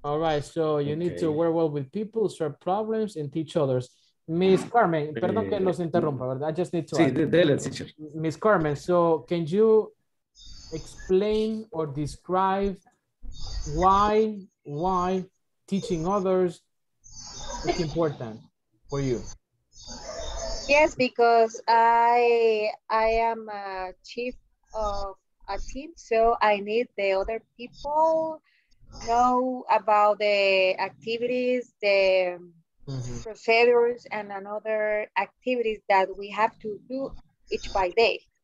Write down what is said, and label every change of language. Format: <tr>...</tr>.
<en>All right, so you need to work well with people, solve problems, and teach others.</en> <es>Miss Carmen, perdón que los interrumpa, ¿verdad?</es> <en>I just need to</en> <es>ask. Sí, dele, teacher.</es> <en>Miss Carmen, so can you explain or describe why teaching others is important for you? Yes, because I am a chief of a team, so I need the other people know about the activities, the procedures, and other activities that we have to do each by day.</en>